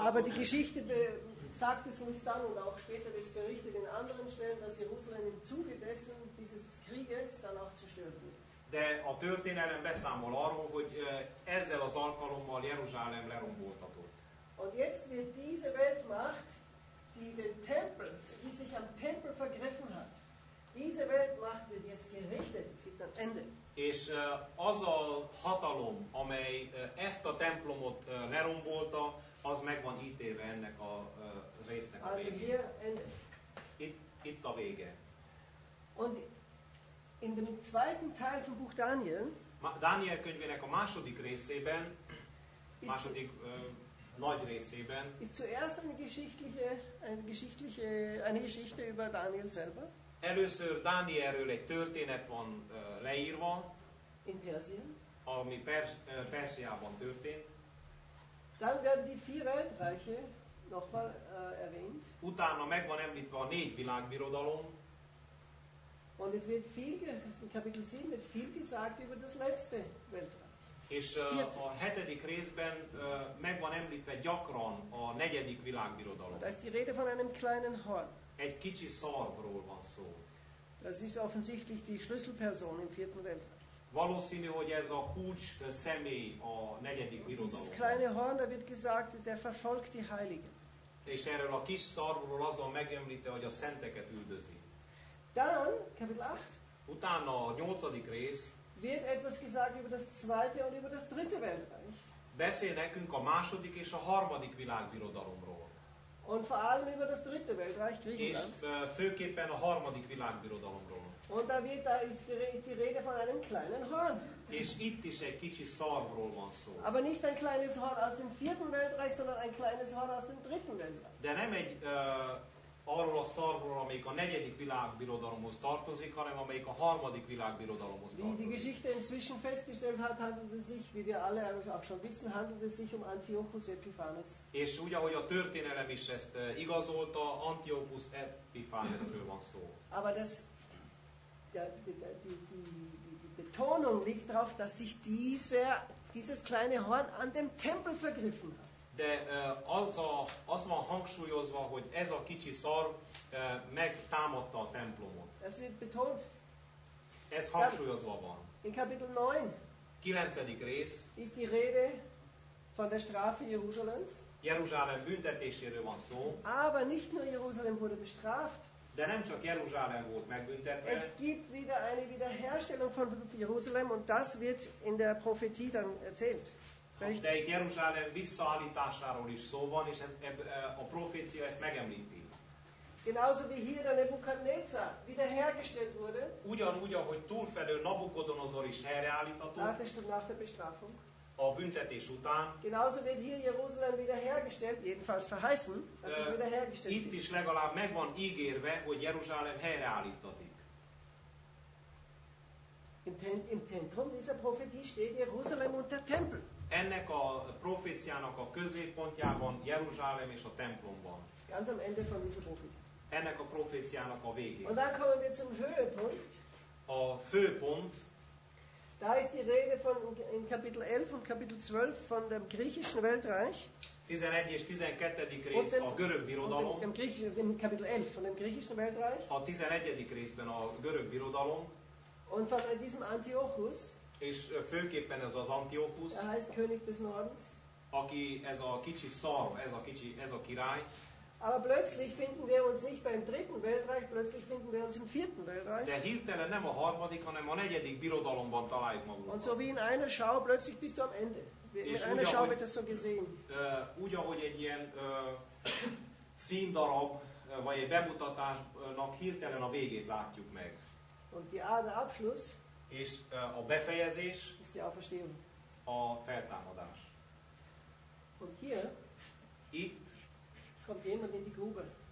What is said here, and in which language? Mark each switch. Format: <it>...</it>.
<de>Aber die Geschichte sagt es uns dann und auch später wird es berichtet in anderen Stellen, dass Jerusalem im Zuge dessen dieses Krieges dann auch zerstört wird.</de> <hu>De a történelem beszámol arról, hogy ezzel az alkalommal Jeruzsálem leromboltatott.</hu> <de>Und jetzt wird diese Weltmacht, die den Tempel, die sich am Tempel vergriffen hat, diese Weltmacht wird jetzt gerichtet. Es gibt ein Ende.</de> <hu>És az a hatalom, amely ezt a templomot lerombolta, az meg van ítélve ennek a résznek a végén. Itt a vége.</hu> <de>Und in dem zweiten Teil vom Buch Daniel,</de> <hu>Daniel könyvének a második részében, második nagy részében,</hu> <de>ist zuerst eine Geschichte über Daniel selber.</de> <hu>Először Dánielről egy történet van leírva,</hu> <de>in Persien,</de> <hu>ami Perzsiában történt.</hu> <de>Dann werden die vier Weltreiche nochmal erwähnt.</de> <hu>Utána meg van említve a négy világbirodalom.</hu> <de>Und es wird viel, in Kapitel 7 wird viel gesagt über das letzte Weltreich.</de> <hu>És a hetedik részben meg van említve gyakran a negyedik világbirodalom.</hu> <de>Da ist die Rede von einem kleinen Horn.</de> <hu>Egy kicsi szarvról van szó.</hu> <de>Das ist offensichtlich die Schlüsselperson im vierten Weltreich.</de> <hu>Valószínű, hogy ez a kulcs személy a negyedik birodalomban.</hu> <de>Dieses kleine Horn, da wird gesagt, der verfolgt die Heiligen.</de> <hu>És erről a kis szarvról azon megemlíte, hogy a szenteket üldözi.</hu> <de>Dann, Kapitel 8.</de> <hu>Utána a nyolcadik rész.</hu> <de>Wird etwas gesagt über das zweite und über das dritte Weltreich.</de> <hu>Beszél nekünk a második és a harmadik világbirodalomról.</hu> <de>Und vor allem über das dritte Weltreich Griechenland.</de> <hu>És főképpen a harmadik világbirodalomról.</hu> <de>Und da ist die Rede von einem kleinen Horn.</de> <hu>És itt is egy kicsi szarvról van szó.</hu> <de>Aber nicht ein kleines Horn aus dem vierten Weltreich, sondern ein kleines Horn aus dem dritten Weltreich.</de> <hu>De nem egy arról a szarvról, amelyik a negyedik világbirodalomhoz tartozik, hanem amelyik a harmadik világbirodalomhoz tartozik.</hu> <de>Die Geschichte inzwischen festgestellt hat, handelt es sich, wie wir alle auch schon wissen, handelt es sich um Antiochus Epiphanes.</de> <hu>És úgy, ahogy a történelem is ezt igazolta, Antiochus Epiphanesről van szó.</hu> <de>Aber das, ja, die Betonung liegt darauf, dass sich dieses kleine Horn an dem Tempel vergriffen hat.</de> <hu>De az van hangsúlyozva, hogy ez a kicsi szar megtámadta a templomot. Ez itt</hu> <de>betont.</de> <hu>Ez hangsúlyozva van.</hu> <de>In Kapitel 9.</de> <hu>9. rész.</hu> <de>Ist die Rede von der Strafe Jeruzsálems.</de> <hu>Jeruzsálem büntetéséről van szó.</hu> <de>Aber nicht nur Jeruzsálem wurde bestraft.</de> <hu>De nem csak Jeruzsálem volt megbüntetve.</hu> <de>Es gibt wieder eine Wiederherstellung von Jeruzsálem und das wird in der Prophetie dann erzählt.</de> <hu>De itt Jeruzsálem visszaállításáról is szó van, és a profécia ezt megemlíti.</hu> <de>Genauso wie hier der Nebukadnezar wiederhergestellt wurde.</de> <hu>Ugyanúgy, ahogy túlfelől Nabukodonozor is helyreállítatott.</hu> <de>Nach der Bestrafung.</de> <hu>A büntetés után.</hu> <de>Genauso wird hier Jerusalem wiederhergestellt, jedenfalls verheißen, dass es wiederhergestellt wird.</de> <hu>Itt is legalább megvan ígérve, hogy Jeruzsálem helyreállítatik.</hu> <de>Im Zentrum dieser Prophetie steht Jerusalem und der Tempel.</de> <hu>Ennek a proféciának a középpontjában Jeruzsálem és a templom van.</hu> <de>Ganz am Ende von dieser Prophetie.</de> <hu>Ennek a proféciának a végén.</hu> <de>Und dann kommen wir zum Höhepunkt.</de> <hu>A főpont.</hu> <de>Da ist die Rede von in Kapitel 11 und Kapitel 12 von dem griechischen Weltreich.</de> <hu>11. és 12. rész a görög birodalom.</hu> <de>Und dem Kapitel 11 von dem griechischen Weltreich.</de> <hu>A 11. részben a görög birodalom.</hu> <de>Und von diesem Antiochus.</de> <hu>És főképpen ez az Antiochus.</hu> <de>Er heißt König des Nordens.</de> <hu>Aki ez a kicsi szar, ez a király.</hu> <de>Aber plötzlich finden wir uns nicht beim dritten Weltreich, plötzlich finden wir uns im vierten Weltreich.</de> <hu>De hirtelen nem a harmadik, hanem a negyedik birodalomban találjuk magunkat.</hu> <de>Und so wie in einer Schau plötzlich bist du am Ende. Mit einer Schau wird das so gesehen.</de> <hu>Úgy, ahogy egy ilyen színdarab, vagy egy bemutatásnak hirtelen a végét látjuk meg.</hu> <de>Und die Art der Abschluss</de> <hu>és a befejezés</hu> <de>ist die Auferstehung.</de> <hu>A feltámadás.</hu> <de>Und hier</de> <hu>itt</hu> <de>kommt jemand in die Grube.</de>